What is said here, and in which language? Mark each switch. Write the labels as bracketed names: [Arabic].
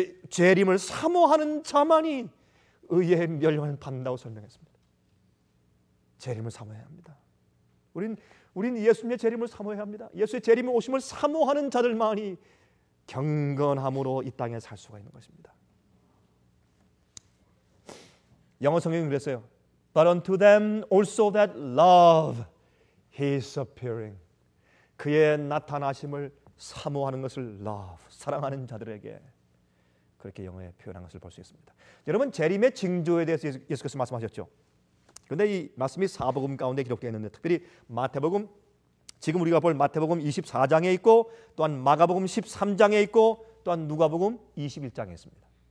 [Korean] 재림을 사모하는 자만이 의의 멸망을 받는다고 설명했습니다. 재림을 사모해야 합니다. 우린 예수님의 재림을 사모해야 합니다. 예수의 재림의 오심을 사모하는 자들만이 경건함으로 이 땅에 살 수가 있는 것입니다. 영어 성경은 그랬어요. [English] But unto them also that love his appearing. [Korean] 그의 나타나심을 사모하는 것을 love, 사랑하는 자들에게 그렇게 영어에 표현한 것을 볼 수 있습니다. 여러분 재림의 징조에 대해서 예수께서 말씀하셨죠. 그런데 이 말씀이 사복음 가운데 기록되어 있는데 특별히 마태복음, 지금 우리가 볼 마태복음 24장에 있고 또한 마가복음 13장에 있고 또한 누가복음 21장에 있습니다.